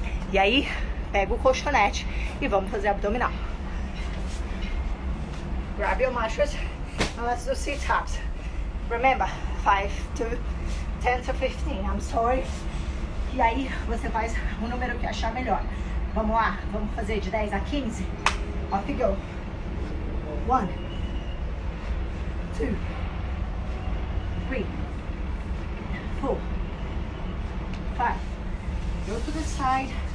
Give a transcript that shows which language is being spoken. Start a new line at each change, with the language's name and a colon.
Portuguese: E aí, pega o colchonete e vamos fazer abdominal.
English: Grab your mattress and let's do sit-ups. Remember, 5 to 10 to 15. I'm sorry.
Portuguese: E aí, você faz o número que achar melhor. Vamos lá. Vamos fazer de 10 a 15.
English: Off you go. 1, 2, 3, 4, 5. Go to the side.